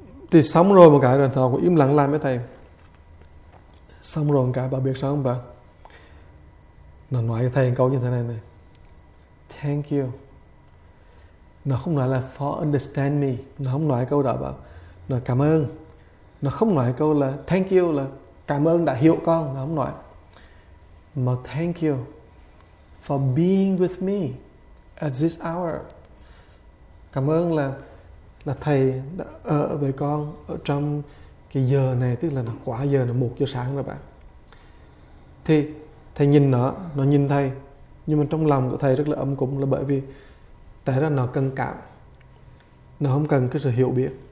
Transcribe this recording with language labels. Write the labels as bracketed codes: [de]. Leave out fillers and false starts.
[vi] Thì xong rồi một cái, rồi thầy cũng im lặng làm với thầy. Xong rồi một cái, bà biết sao không bà? Nó nói với thầy một câu như thế này: [en] thank you. [vi] Nó không nói là [en] for understand me. [vi] Nó không nói câu đó bà. Nó cảm ơn. Nó không nói câu là [en] thank you, [vi] là cảm ơn đã hiểu con. Nó không nói. [en] Mà thank you for being with me at this hour. [vi] Cảm ơn là thầy đã ở với con ở trong cái giờ này, tức là nó quá giờ, nó 1 giờ sáng rồi bạn. Thì thầy nhìn nó nhìn thầy, nhưng mà trong lòng của thầy rất là ấm cúng, là bởi vì tại ra nó cần cảm, nó không cần cái sự hiểu biết.